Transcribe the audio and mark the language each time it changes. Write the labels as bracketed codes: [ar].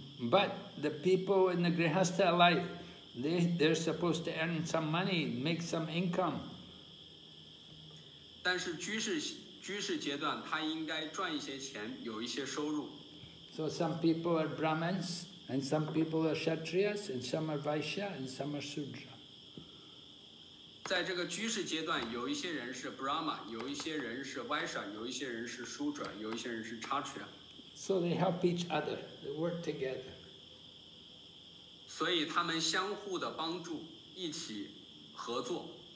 [en] But the people in the grihastha life, they're supposed to earn some money, make some income. [zh] 但是居士阶段，他应该赚一些钱，有一些收入。 [en] So some people are Brahmins. And some people are Kshatriyas, and some are Vaishya, and some are Sudra. [zh] 在这个居士阶段，有一些人是 Brahma, 有一些人是 Vaishya, 有一些人是 Sudra, 有一些人是 Kshatriya. [en] So they help each other, they work together. [zh] 所以他们相互的帮助，一起合作。